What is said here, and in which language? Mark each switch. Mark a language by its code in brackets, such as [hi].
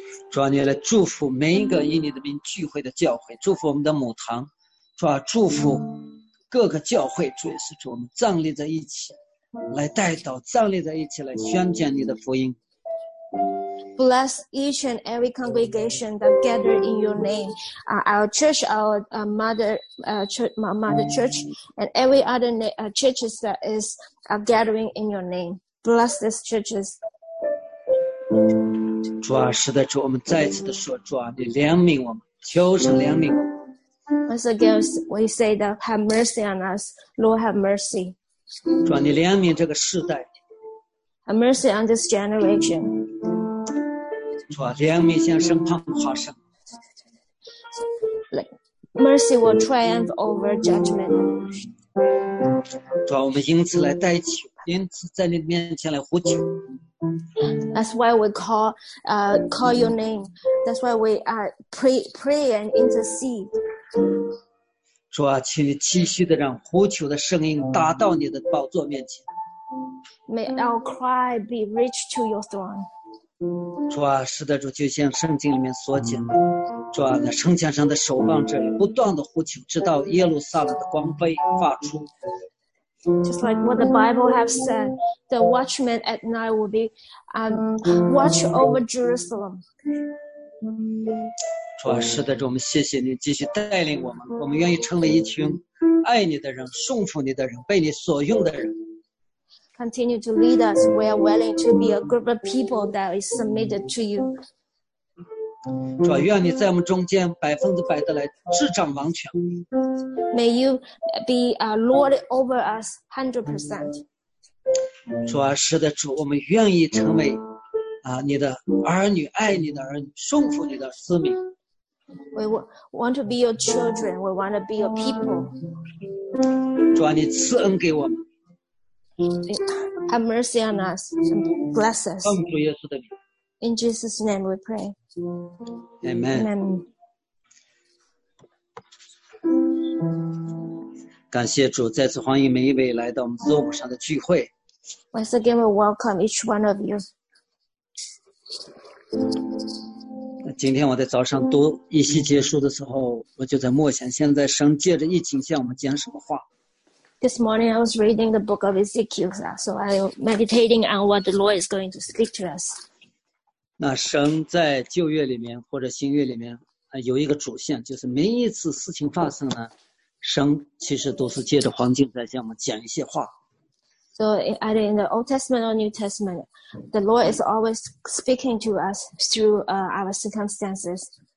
[zh] 主啊，你来祝福每一个以你的名聚会的教会，祝福我们的母堂，主啊，祝福各个教会，主也是主，我们站立在一起来代祷，站立在一起来宣讲你的福音。 [en] Bless each and every congregation that gathered in your name, our church, our mother church, and every other churches that is gathering in your name. Bless these churches. [zh] 主啊，是的，主，我们再次的说，主啊，你怜悯我们，求神怜悯我们。 [en] Once again, we say that have mercy on us, Lord, have mercy. [zh] 主啊，你怜悯这个世代。 [en] Have mercy on this generation. [zh] 主啊，怜悯像审判夸胜。 [en] Mercy will triumph over judgment. [zh] 主啊，我们因此来代求，因此在你面前来呼求。 [en] That's why we call your name. That's why we pray and intercede. [zh] 主啊，请你继续的让呼求的声音达到你的宝座面前。 [en] May our cry be reached to your throne. [zh] 主啊，是的，主，就像圣经里面所讲的，主啊，那城墙上的守望者不断的呼求，直到耶路撒冷的光辉发出。 [en] Just like what the Bible have said, the watchman at night will be watch over Jerusalem. [zh] 主啊，是的，主，我们谢谢你继续带领我们，我们愿意成为一群爱你的人、顺服你的人、被你所用的人。 [en] continue to lead us. We are willing to be a group of people that is submitted to you. [zh] 主啊，愿你在我们中间百分之百的来执掌王权。 [en] May you be a Lord over us 100%. [zh] 主啊，是的，主，我们愿意成为啊你的儿女，爱你的儿女，顺服你的子民。 [en] We want to be your children. We want to be your people. [zh] 主啊，你赐恩给我们。 [en] Have mercy on us. Bless us. [zh] 奉主耶稣的名。 [en] In Jesus' name, we pray. Amen. Amen. [zh] 感谢主，再次欢迎每一位来到我们Zoom上的聚会。 [en] Once again, we welcome each one of you. [zh] 今天我在早上读一息结束的时候，我就在默想，现在神借着疫情向我们讲什么话。 [en] This morning, I was reading the book of Ezekiel, so I'm meditating on what the Lord is going to speak to us. [zh] 那神在旧约里面或者新约里面有一个主线，就是每一次事情发生呢，神其实都是借着环境在向我们讲一些话。 [en] So either in the Old Testament or New Testament, the Lord is always speaking to us through our circumstances.